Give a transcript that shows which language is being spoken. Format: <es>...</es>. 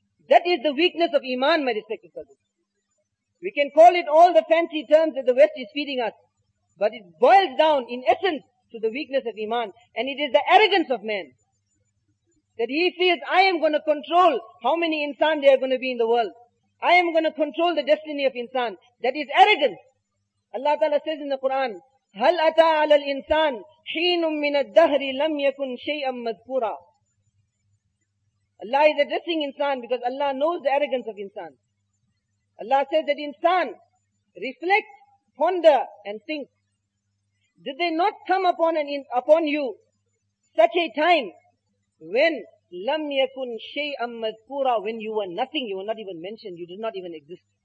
<en>That is the weakness of iman, my respected brothers. We can call it all the fancy terms that the West is feeding us, but it boils down in essence to the weakness of iman, and it is the arrogance of man that he feels, I am going to control how many insan there are going to be in the world. I am going to control the destiny of insan. That is arrogance. Allah Ta'ala says in the Quran,</en> <ar>هَلْ أَتَى عَلَى الْإِنسَانِ حِينٌ مِّنَ الدَّهْرِ لَمْ يَكُنْ شَيْئًا مَذْكُورًا.</ar> <en>Allah is addressing insan because Allah knows the arrogance of insan. Allah says that insan, reflect, ponder and think. Did they not come upon you such a time when</en> <ar>lam yakun shay'an madhkura,</ar> <en>when you were nothing, you were not even mentioned, you did not even exist.</en>